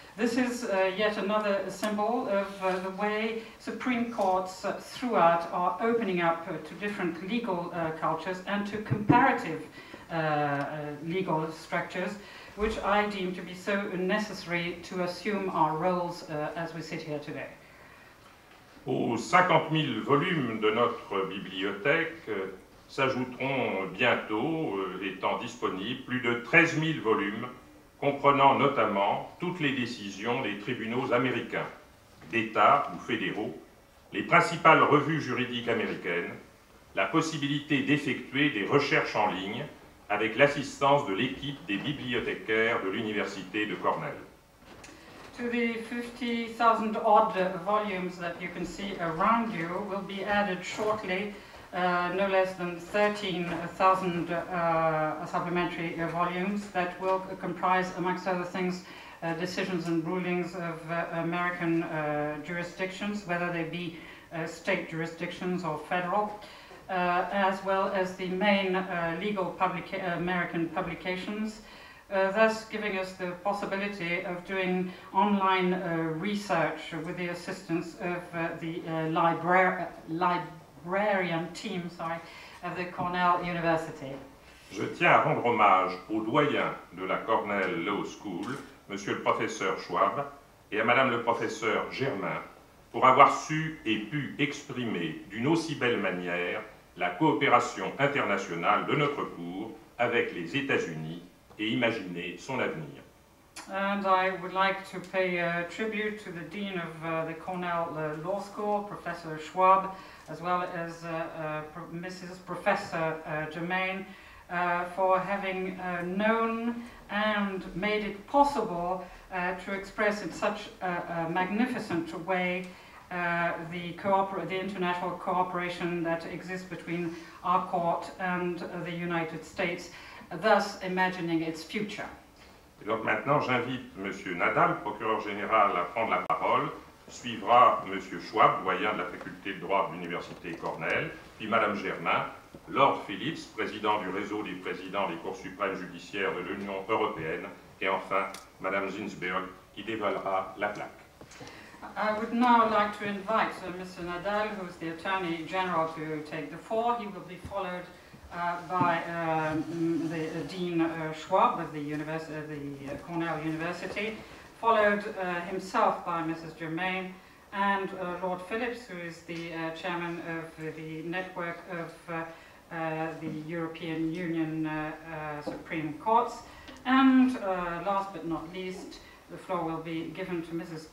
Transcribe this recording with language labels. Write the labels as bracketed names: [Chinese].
[English] This is yet another symbol of the way Supreme Courts throughout are opening up to different legal cultures and to comparative legal structures, which I deem to be so necessary to assume our roles as we sit here today. [French] Aux 50 000 volumes de notre bibliothèque s'ajouteront bientôt, étant disponibles, plus de 13 000 volumes comprenant notamment toutes les décisions des tribunaux américains, d'État ou fédéraux, les principales revues juridiques américaines, la possibilité d'effectuer des recherches en ligne avec l'assistance de l'équipe des bibliothécaires de l'Université de Cornell. [English] To the 50,000 odd volumes that you can see around you will be added shortly no less than 13,000 supplementary volumes that will comprise, amongst other things, decisions and rulings of American jurisdictions, whether they be state jurisdictions or federal, as well as the main legal American publications, thus giving us the possibility of doing online research with the assistance of the librarian team, of the Cornell University. [French] Je tiens à rendre hommage au doyen de la Cornell Law School, Monsieur le professeur Schwab, et à Madame le professeur Germain, pour avoir su et pu exprimer d'une aussi belle manière la coopération internationale de notre cours avec les États-Unis et imaginer son avenir. [English] And I would like to pay a tribute to the Dean of the Cornell Law School, Professor Schwab, as well as Mrs. Professor Germain, for having known and made it possible to express in such a magnificent way the international cooperation that exists between our court and the United States, thus imagining its future. [French] Et donc maintenant, j'invite M. Nadal, procureur général, à prendre la parole. Suivra M. Schwab, doyen de la faculté de droit de l'Université Cornell, puis Mme Germain, Lord Phillips, président du réseau des présidents des cours suprêmes judiciaires de l'Union européenne, et enfin Mme Zinsberg, qui dévoilera la plaque. [English] I would now like to invite Mr. Nadal, who is the Attorney General, to take the floor. He will be followed by the Dean Schwab of the University, the Cornell University, followed himself by Mrs. Germain and Lord Phillips, who is the Chairman of the Network of the European Union Supreme Courts, and last but not least, the floor will be given to Mrs.